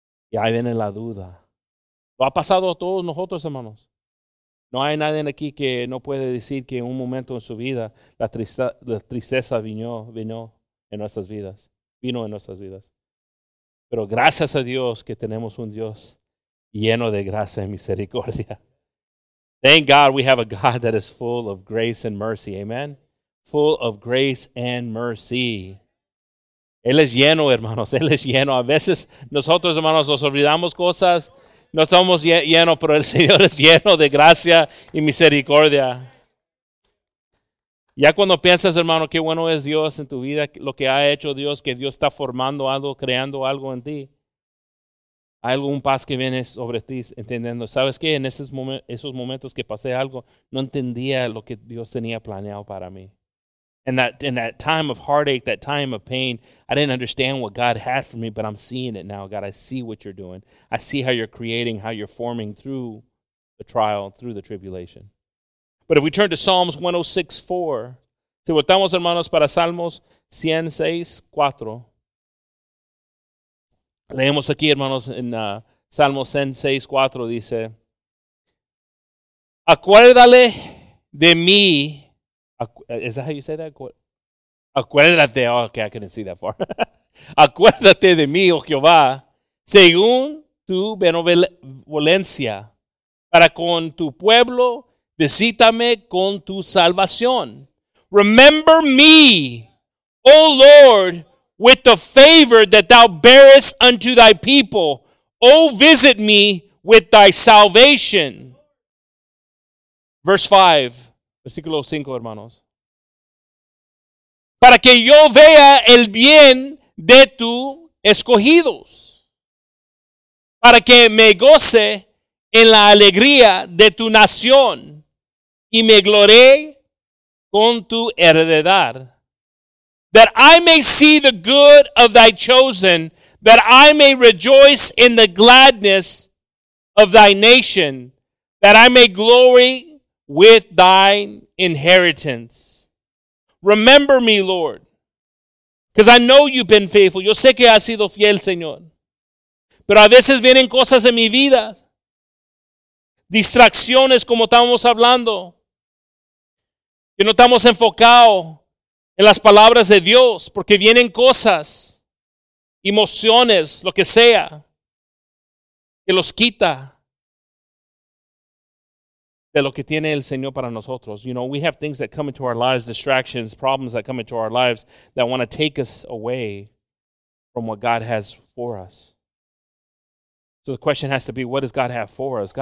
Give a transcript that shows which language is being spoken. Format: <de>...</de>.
<es>Y ahí viene la duda. Lo ha pasado a todos nosotros, hermanos. No hay nadie aquí que no puede decir que en un momento en su vida la tristeza vino en nuestras vidas. Pero gracias a Dios que tenemos un Dios lleno de gracia y misericordia.</es> <en>Thank God we have a God that is full of grace and mercy. Amen. Full of grace and mercy.</en> <es>Él es lleno, hermanos. Él es lleno. A veces nosotros, hermanos, nos olvidamos cosas. No estamos llenos, pero el Señor es lleno de gracia y misericordia. Ya cuando piensas, hermano, qué bueno es Dios en tu vida, lo que ha hecho Dios, que Dios está formando algo, creando algo en ti. Hay algún paz que viene sobre ti, entendiendo. ¿Sabes qué? En esos momentos que pasé algo, no entendía lo que Dios tenía planeado para mí.</es> <en>In that time of heartache, that time of pain, I didn't understand what God had for me, but I'm seeing it now, God. I see what you're doing. I see how you're creating, how you're forming through the trial, through the tribulation. But if we turn to Psalms 106:4,</en> <es>si voltamos, hermanos, para Salmos 106:4, leemos aquí, hermanos, en Salmos 106:4, dice, acuérdale de mí.</es> <en>Is that how you say that?</en> <es>Acuérdate.</es> <en>Oh, okay, I couldn't see that far.</en> <es>Acuérdate de mí, oh Jehová, según tu benevolencia, para con tu pueblo, visítame con tu salvación.</es> <en>Remember me, O Lord, with the favor that thou bearest unto thy people. O visit me with thy salvation. Verse 5,</en> <es>versículo 5, hermanos. Para que yo vea el bien de tus escogidos. Para que me goce en la alegría de tu nación. Y me glorie con tu heredad.</es> <en>That I may see the good of thy chosen. That I may rejoice in the gladness of thy nation. That I may glory with thine inheritance. Remember me, Lord, because I know you've been faithful.</en> <es>Yo sé que has sido fiel, Señor. Pero a veces vienen cosas en mi vida. Distracciones, como estamos hablando. Que no estamos enfocados en las palabras de Dios, porque vienen cosas, emociones, lo que sea, que los quita de lo que tiene el Señor para nosotros.</es> <en>You know, we have things that come into our lives, distractions, problems that come into our lives that want to take us away from what God has for us. So the question has to be, what does God have for us?</en>